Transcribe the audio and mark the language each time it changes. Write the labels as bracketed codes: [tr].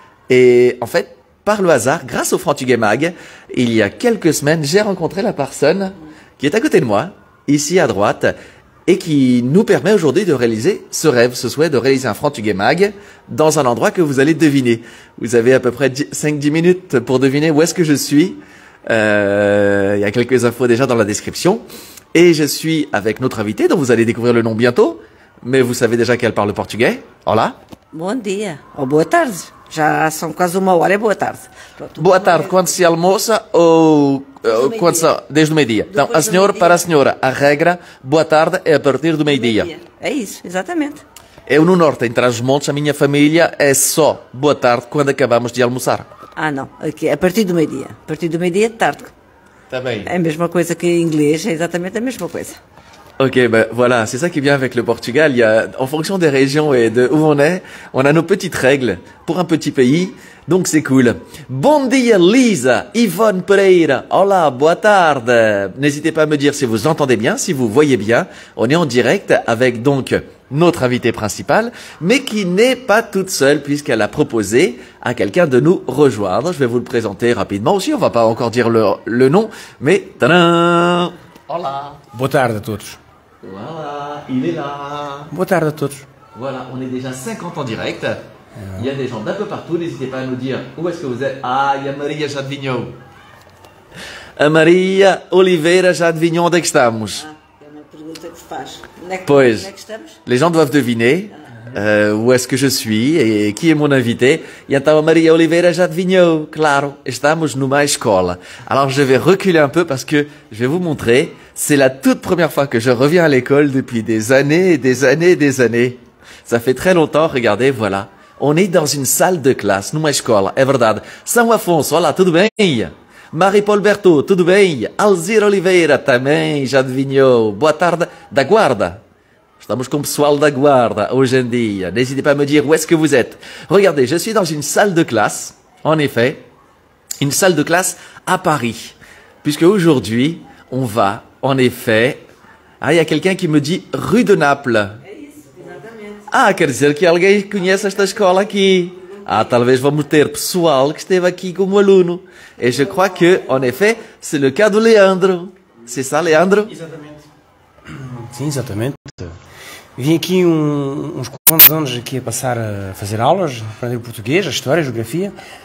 [fr] Et en fait, par le hasard, grâce au Frantugay Mag, il y a quelques semaines, j'ai rencontré la personne qui est à côté de moi, ici à droite, et qui nous permet aujourd'hui de réaliser ce rêve, ce souhait de réaliser un Frantugay Mag dans un endroit que vous allez deviner. Vous avez à peu près 5-10 minutes pour deviner où est-ce que je suis. Il y a quelques infos déjà dans la description. Et je suis avec notre invité, dont vous allez découvrir le nom bientôt, mais vous savez déjà qu'elle parle portugais. [pt] Hola. Bom dia. Oh, boa tarde. Já são quase uma hora, é boa tarde. Pronto, boa tarde, quando se almoça ou quando se... Desde o meio-dia. Então, a senhora, para a senhora, a regra, boa tarde, é a partir do meio-dia. É isso, exatamente. Eu no norte, em Trás-os-Montes, a minha família é só boa tarde quando acabamos de almoçar. Ah, não, aqui, a partir do meio-dia. A partir do meio-dia, tarde. Também. É a mesma coisa que em inglês, é exatamente a mesma coisa. [fr] Ok, ben voilà, c'est ça qui vient avec le Portugal. Il y a, en fonction des régions et de où on a nos petites règles pour un petit pays. Donc c'est cool. [pt] Bon dia, Lisa, Yvonne Pereira. Hola, boa tarde. [fr] N'hésitez pas à me dire si vous entendez bien, si vous voyez bien. On est en direct avec donc notre invitée principale, mais qui n'est pas toute seule puisqu'elle a proposé à quelqu'un de nous rejoindre. Je vais vous le présenter rapidement aussi. On va pas encore dire le nom, mais tadam. [pt] Hola. Boa tarde a todos. [fr] Voilà, il est là. [pt] Boa tarde a todos. [fr] Voilà, on est déjà 50 en direct. Il y a des gens d'un peu partout, n'hésitez pas à nous dire où est-ce que vous êtes. Ah, il y a Maria Jadvignon. [pt] Maria Oliveira Jadvignon, onde é que estamos? Ah, é uma pergunta que se faz. Pois, onde é que estamos? [fr] Les gens doivent deviner où est-ce que je suis et qui est mon invité. [pt] E então a Maria Oliveira já adivinhou, claro, estamos numa escola. [fr] Alors je vais reculer un peu parce que je vais vous montrer, c'est la toute première fois que je reviens à l'école depuis des années et des années et des années. Ça fait très longtemps, regardez, voilà. On est dans une salle de classe, [pt] numa escola, é verdade. São Afonso, olá, tudo bem? Marie-Paul Berto, tudo bem? Alzira Oliveira, também, já adivinhou. Boa tarde, da guarda. Estamos com o pessoal da guarda hoje em dia. [fr] N'hésitez pas à me dire où est-ce que vous êtes. Regardez, je suis dans une salle de classe, en effet, une salle de classe à Paris. Puisque aujourd'hui, on va, en effet... Ah, il y a quelqu'un qui me dit rue de Naples. [pt] Ah, quer dizer que alguém conhece esta escola aqui. Ah, talvez vamos ter pessoal que esteve aqui como aluno. [fr] Et je crois que, en effet, c'est le cas de Leandro. C'est ça, Leandro? [pt] Sim, exatamente. Vim aqui uns quantos anos aqui a passar a fazer aulas, a aprender o português, a história, a geografia.